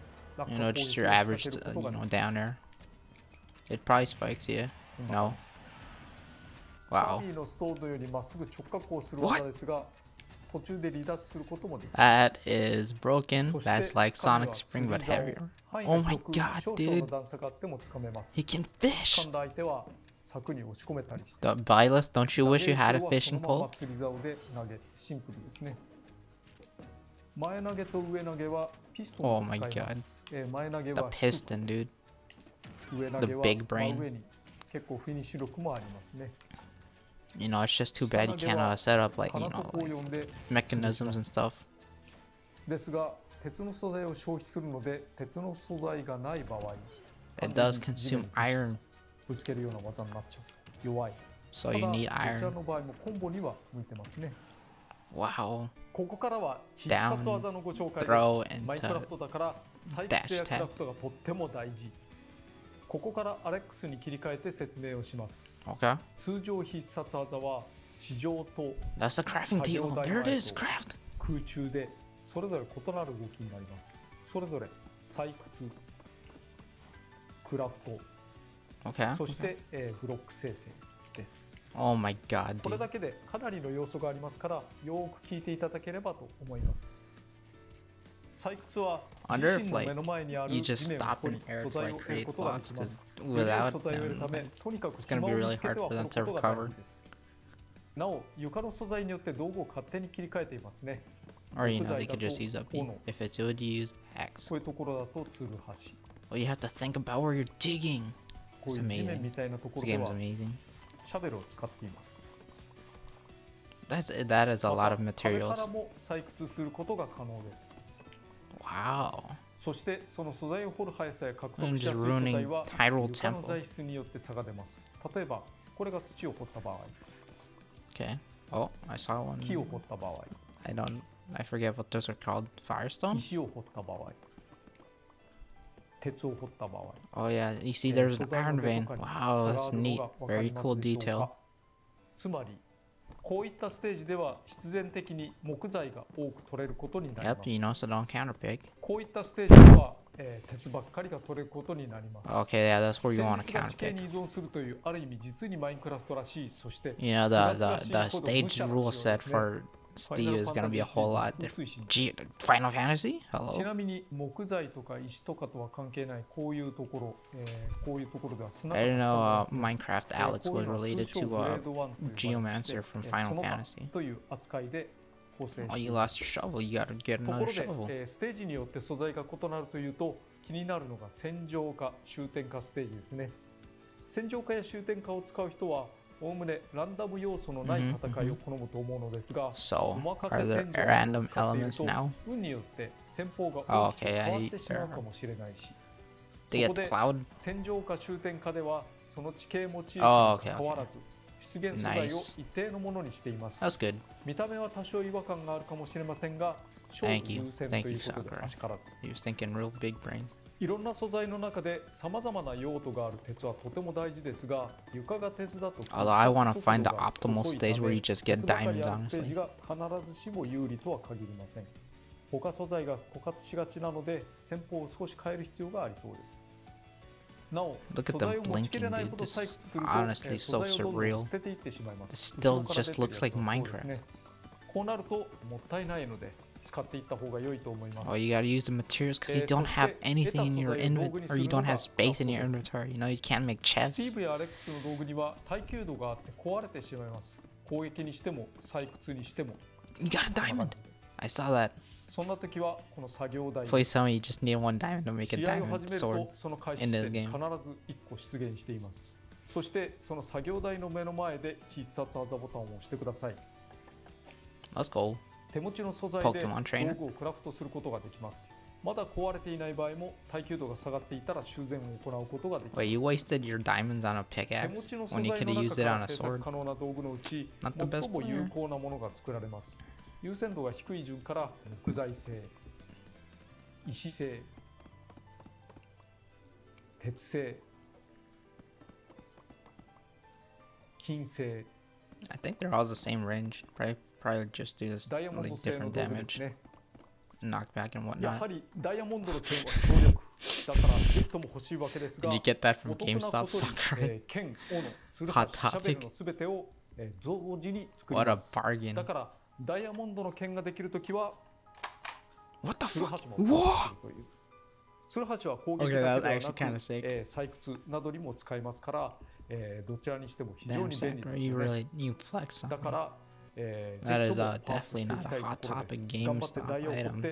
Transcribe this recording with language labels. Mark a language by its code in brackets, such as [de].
[en] You know, just your average, downer. It probably spikes, yeah? No? Wow. [ja] ジャミーのストーンよりまっすぐ直角をする技ですが、途中で離脱することもできます。 [en] That is broken. That's like Sonic Spring, but heavier. Oh my god, dude. He can fish! He can fish! [ja] 柵に押し込めたりして [en] Vilas, don't you wish you had a fishing pole? [ja] 釣り竿で投げ、シンプルですね。前投げと上投げはピストンを使います。 [en] Oh my god. [ja] 前投げは [en] The piston, dude. [ja] 上投げは [en] The big brain. [ja] 上に結構フィニッシュ力もありますね。 [en] You know, it's just too bad you can't set up like, you know, like, mechanisms and stuff. [ja] ですが、鉄の素材を消費するので、鉄の素材がない場合、 [en] It does consume iron. [ja] ぶつけるような技になっちゃう弱い。 [en] So you need iron. [ja] ただこちらの場合もコンボには向いてますね。 [en] Wow. [ja] ここからは必殺技のご紹介です。マインクラフトだから再生やクラフトがとっても大事。ここからアレックスに切り替えて説明をします。 [en] Okay. [ja] 通常必殺技は地上と [en] That's the crafting table. There it is. Craft. [ja] 空中でそれぞれ異なる動きになります。それぞれ採掘、クラフト。 [en] Okay, [ja] そして、 [en] okay. [ja] ブロック生成です。 [en] Oh my god. [ja] これだけでかなりの要素がありますから、よく聞いていただければと思います。採掘は自身の目の前にある地面を掘り、素材を得ることができます。素材を得るため、とにかく暇を見つけては掘ることが大事です。なお、床の素材によって道具を勝手に切り替えていますね。 [en] Or you know, they could just use a beam. If it's wood, you use axe. [ja] こういうところだとツル橋。 [en] Well, you have to think about where you're digging. [ja] こういう地面みたいなところではシャベルを使っています。 [en] That is a lot of materials. [ja] これからも採掘することが可能です。 [en] Wow. [ja] そしてその素材を掘る速さや獲得しやすい素材は床の材質によって差が出ます。例えばこれが土を掘った場合。 [en] Okay. Oh, I saw one. [ja] 木を掘った場合。 [en] I forget what those are called. Firestone? [ja] 石を掘った場合。鉄を掘った場合。 [en] Oh yeah, you see there's an iron vein. Wow, that's neat. Very cool detail. [ja] つまり、こういったステージでは必然的に木材が多く取れることになります。 [en] Yep, you know, so don't counter pick. [ja] こういったステージでは、鉄ばっかりが取れることになります。 [en] Okay, yeah, that's where you want to counter pick. [ja] 地形に依存するというある意味実にマインクラフトらしい。そして、 [en] You know, the stage rule set for Steve is gonna be a whole lot different. Final Fantasy? Hello. [ja] ちなみに木材とか石とかとは関係ないこういうところ、こういうところでは砂が。 [en] I don't know. Minecraft Alex was related to a geomancer from Final Fantasy. [ja] という扱いで構成して。 [en] Oh, you lost your shovel. You gotta get another shovel. [ja] ところで、ステージによって素材が異なるというと気になるのが戦場か終点かステージですね。戦場かや終点かを使う人は。概ねランダム要素のない戦いを好むと思うのですが、お任せ戦場を使っていると運によって戦法が大きく変わってしまうかもしれないし、そこで戦場か終点かではその地形モチーフに変わらず出現素材を一定のものにしています。 [en] That's good. [ja] 見た目は多少違和感があるかもしれませんが、勝利優先ということで足からず。 [en] You're thinking real big brain. [ja] いろんな素材の中で様々な用途がある鉄はとても大事ですが、床が鉄だと [en] Although I want to find the optimal stage where you just get diamonds, honestly. [ja] 鉄ばかりやステージが必ずしも有利とは限りません。他素材が枯渇しがちなので、戦法を少し変える必要がありそうです。なお、 [en] Look at them blinking, dude. This is honestly so surreal. This still just looks like Minecraft. [ja] こうなるともったいないので、使っていった方が良いと思います。 [en] Oh, you gotta use the materials because you don't have anything in your inventory, or you don't have space in your inventory. You know, you can't make chests. [ja] スティーブやアレックスの道具には耐久度があって壊れてしまいます。攻撃にしても採掘にしても。 [en] You got a diamond. I saw that. [ja] そんな時はこの作業台。 [en] Please tell me you just need one diamond to make a diamond sword. [ja] その開始で必ず1個出現しています。そしてその作業台の目の前で必殺技ボタンを押してください。 [en] Let's go. [ja] 手持ちの素材で道具をクラフトすることができます。まだ壊れていない場合も耐久度が下がっていたら修繕を行うことができます。 [en] Wait, you wasted your diamonds on a pickaxe when you could have used it on a sword? [ja] 可能な道具のうち最も有効なものが作られます。優先度が低い順から木材製、石製、鉄製、金製。 [en] I think they're all the same range. Probably just do this, like, different damage. Knockback and whatnot. [ja] やはりダイヤモンドの剣は強力だからぜひとも欲しいわけですが。 [en] Did you get that from GameStop, Sakurai? [ja] 剣、斧、鶴、シャベルのすべてを同時に作ります。 [en] What a bargain! [ja] だからダイヤモンドの剣ができるときは、 [en] What the fuck? [ja] 鶴橋も使うという。ツルハシは攻撃だけではなく、 [en] okay, that's actually kinda sick. [ja] 採掘などにも使えますから、どちらにしても非常に便利ですね。 [en] Damn, Sakurai, you really need flex on that. That is definitely not a Hot Topic GameStop item.